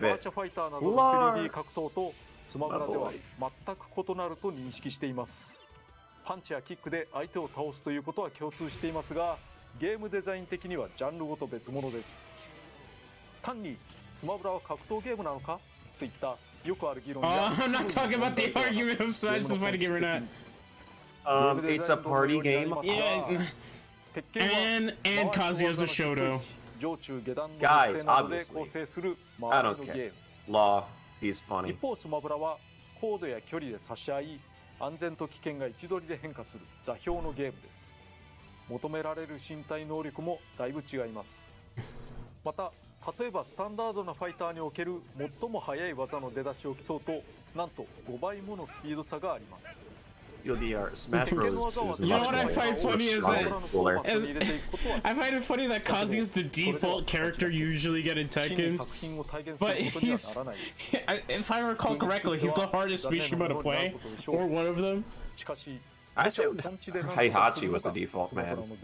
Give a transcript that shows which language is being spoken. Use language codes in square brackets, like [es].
[ja] バーチャファイターなどの 3D 格闘と。スマブラでは全く異なると認識しています。パンチやキックで相手を倒すということは共通していますが、ゲームデザイン的にはジャンルごと別物です。単にスマブラは格闘ゲームなのかといったよくある議論や、 [en] I'm not talking about the argument of Smash is fighting game or not. It's a party game. Yeah. And Kazuya's a Shoto. [ja] 上中下段の姿勢などで構成する魔法のゲーム。 [en] Law. He's funny. [ja] 一方スマブラは高度や距離で差し合い、安全と危険が一度りで変化する座標のゲームです。求められる身体能力もだいぶ違います。また例えばスタンダードなファイターにおける最も速い技の出だしを競うと、なんと5倍ものスピード差があります。 [en] DR. Smash Bros. You know what I find funny is that I find it funny that Kazuya is the default character you usually get in Tekken, but he's, if I recall correctly, he's the hardest Mishima to play, or one of them. I said Heihachi was the default, man.